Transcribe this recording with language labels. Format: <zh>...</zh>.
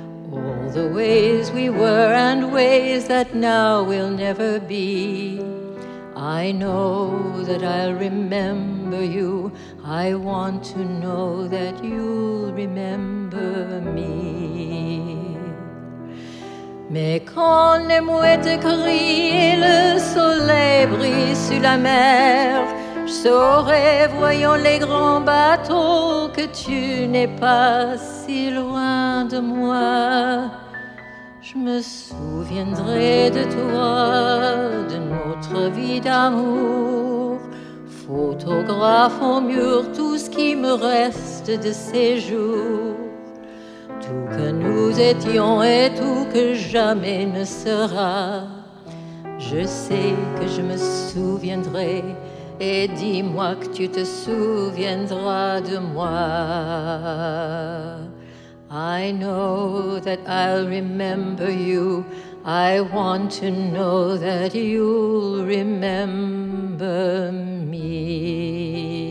<en>All the ways we were and ways that now will never be. I know that I'll remember you. I want to know that you'll remember me.</en> <fr>Mais quand les mouettes crient, le soleil brille sur la mer, je saurai, voyant les grands bateaux, que tu n'es pas si loin de moi. Je me souviendrai de toi, de notre vie d'amour. Photographe au mur tout ce qui me reste de ces jours. Tout que nous étions et tout que jamais ne sera. Je sais que je me souviendrai. Et dis-moi que tu te souviendras de moi.</fr> <en>I know that I'll remember you. I want to know that you'll remember me.</en>